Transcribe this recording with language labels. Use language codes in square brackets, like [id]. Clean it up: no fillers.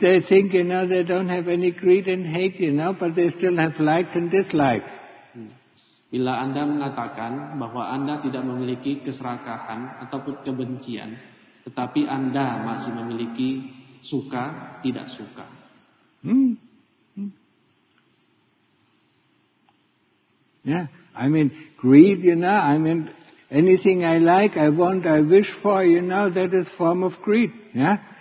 [en] they think, you know, they don't have any greed and hate, you know, but they still have likes and dislikes. [id] Bila Anda mengatakan bahwa Anda tidak memiliki keserakahan ataupun kebencian, tetapi Anda masih memiliki suka, tidak suka. [en] Yeah, I mean, greed, you know, I mean, anything I like, I want, I wish for, you know, that is form of greed, yeah?